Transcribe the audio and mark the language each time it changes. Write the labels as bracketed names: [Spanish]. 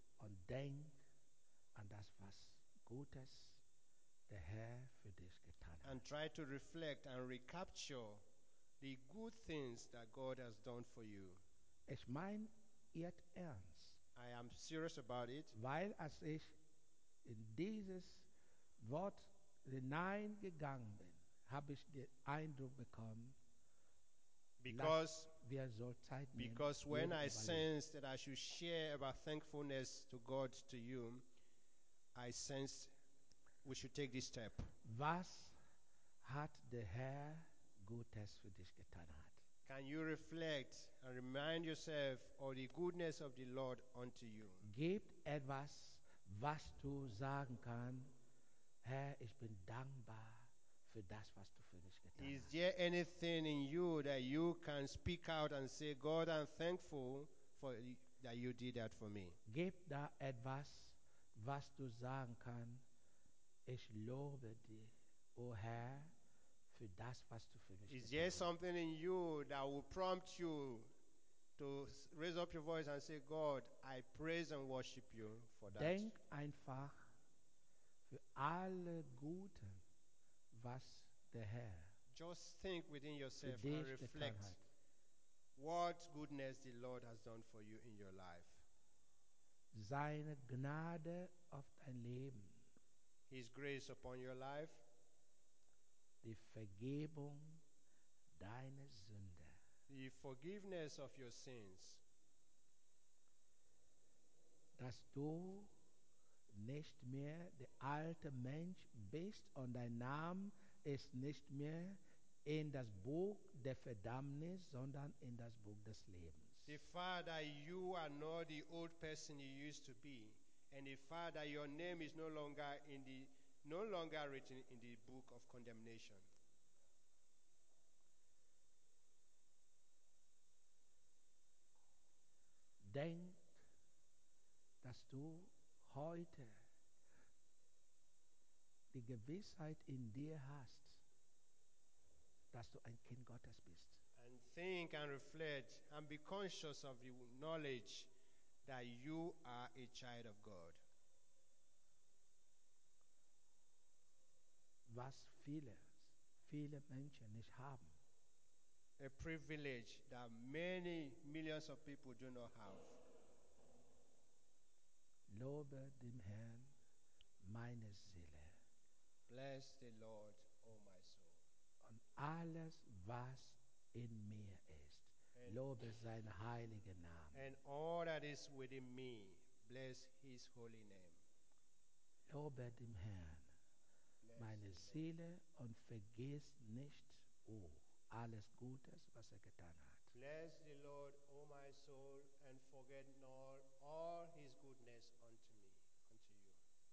[German] Und denk an das, was Gutes der Herr für dich getan hat. [English] And try to reflect and recapture the good things that God has done for you. [German] Ich meine es ernst. [English] I am serious about it. [German] Weil als ich in dieses Wort hinein gegangen bin, habe ich den Eindruck bekommen, [English] because [German] wir so Zeit nehmen, [English] because when I sensed that I should share about thankfulness to God to you, I sensed we should take this step. [German] Was hat der Herr Gutes für dich getan hat? [English] Can you reflect and remind yourself of the goodness of the Lord unto you? [German] Gibt etwas, was du sagen kannst, Herr, ich bin dankbar für das, was du für mich getan hast. [English] Is there anything in you that you can speak out and say, God, I'm thankful for that you did that for me? [German] Gibt da etwas, was du sagen kannst, ich lobe dich, oh Herr, das, was du für mich getan. [English] Is there something in you that will prompt you to raise up your voice and say, God, I praise and worship you for that? [German] Denk einfach für alle Guten, was der Herr. [English] Just think within yourself and reflect what goodness the Lord has done for you in your life. [German] Seine Gnade auf dein Leben. [English] His grace upon your life. [German] Die Vergebung deiner Sünde. [English] The forgiveness of your sins. [German] Dass du nicht mehr der alte Mensch bist und dein Name ist nicht mehr in das Buch der Verdammnis, sondern in das Buch des Lebens. [English] The fact that you are not the old person you used to be, and the fact that your name is no longer written in the book of condemnation. [German] Denk, dass du heute die Gewissheit in dir hast, dass du ein Kind Gottes bist. [English] And think and reflect and be conscious of the knowledge that you are a child of God. [German] Was viele Menschen nicht haben. [English] A privilege that many millions of people do not have. [German] Lobe dem Herrn, meine Seele. [English] Bless the Lord, O my soul. [German] Und alles, was in mir ist, and lobe seinen heiligen Namen. [English] And all that is within me, bless his holy name. [German] Lobe dem Herrn, meine Seele, und vergiss nicht, alles Gutes, was getan hat. [English] Bless the Lord, O my soul, and forget not all his goodness unto me, unto you.